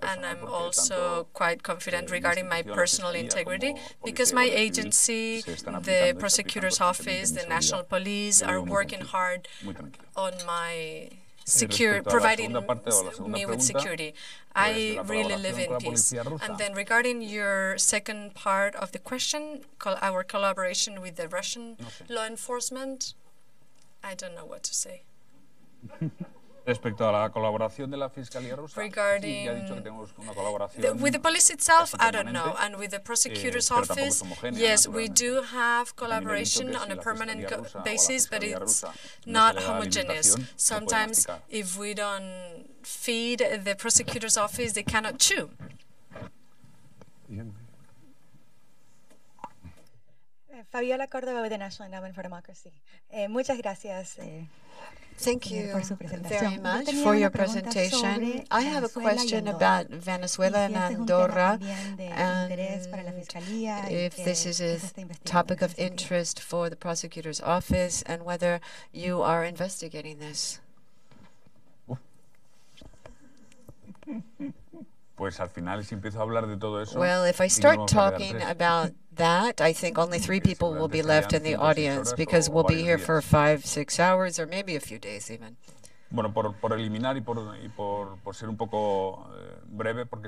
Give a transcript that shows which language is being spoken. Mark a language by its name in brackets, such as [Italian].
[English] and I'm also quite confident regarding my personal integrity because my agency, the prosecutor's office, the national police are working hard on my secure, providing [Spanish] parte, me pregunta, [English] with security. I really live in peace. And then regarding your second part of the question, our collaboration with the Russian okay. law enforcement, I don't know what to say. [Spanish] Respecto a la colaboración de la Fiscalía Rusa, [English] regarding [Spanish] sí, ya he dicho que tenemos una colaboración [English] the, with the police itself, I don't know. And with the prosecutor's office, yes, we do have collaboration on a permanent basis, but it's not homogeneous. Sometimes if we don't feed the prosecutor's office, they cannot chew. Fabiola Córdoba with the National Endowment for Democracy. [Spanish] Muchas gracias. [English] Thank you very much for your presentation. I have a question about Venezuela and Andorra, and if this is a topic of interest for the prosecutor's office and whether you are investigating this. Well, if I start talking about that, I think only three people will be left in the audience because we'll be here for 5-6 hours or maybe a few days even. [Spanish] Bueno, por eliminar y por ser un poco breve, porque